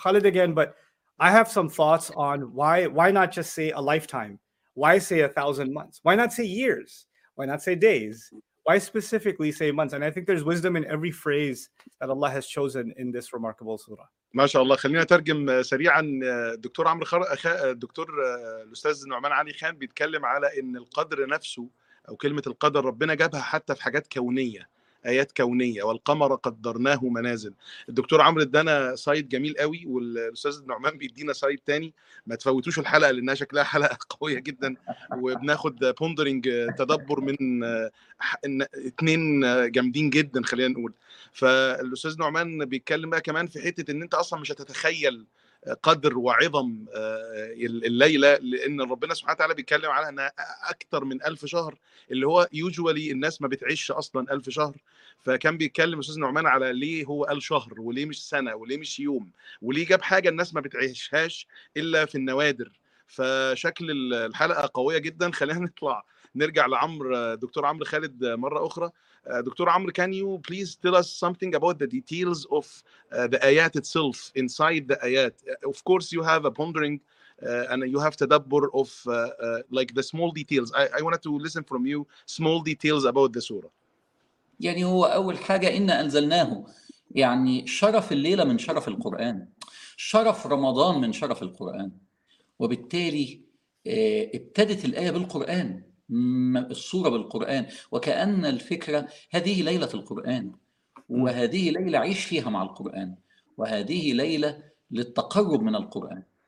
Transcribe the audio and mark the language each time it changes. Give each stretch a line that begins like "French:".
English: Khalid again, but I have some thoughts on why not just say a lifetime? Why say 1,000 months? Why not say years? Why not say days? Why specifically say months? And I think there's wisdom in every phrase that Allah has chosen in this remarkable surah.
Arabic: ما شاء الله. خلينا ترجم سريعا. دكتور عمرو دكتور الأستاذ نعمان علي خان بيتكلم على إن القدر نفسه أو كلمة القدر ربنا جابها حتى في حاجات كونية. آيات كونية، والقمر قدرناه منازل. الدكتور عمرو ادانا سايد جميل قوي، والأستاذ النعمان بيدينا سايد تاني، ما تفوتوش الحلقة لأنها شكلها حلقة قوية جدا، وبناخد بوندرينج تدبر من اتنين جامدين جدا خلينا نقول. فالأستاذ النعمان بيتكلم بقى كمان في حتة ان انت اصلا مش هتتخيل قدر وعظم الليلة، لأن ربنا سبحانه وتعالى بيتكلم على أنها أكتر من 1000 شهر، اللي هو يوجوالي الناس ما بتعيش أصلاً 1000 شهر. فكان بيتكلم أستاذ نعمان على ليه هو 1000 شهر، وليه مش سنة، وليه مش يوم، وليه جاب حاجة الناس ما بتعيشهاش إلا في النوادر. فشكل الحلقة قوية جداً. خلينا نطلع نرجع لعمر، دكتور عمرو خالد مرة أخرى.
English: Doctor عمرو، can you please tell us something about the details of the ayat itself inside the ayat? Of course you have a pondering and you have tadabbur of like the small details. I wanted to listen from you small details about the surah.
Arabic: يعني هو أول حاجة إن أنزلناه، يعني شرف الليلة من شرف القرآن، شرف رمضان من شرف القرآن، وبالتالي ابتدت الآية بالقرآن، الصورة بالقرآن، وكأن الفكرة هذه ليلة القرآن، وهذه ليلة عيش فيها مع القرآن، وهذه ليلة للتقرب من القرآن.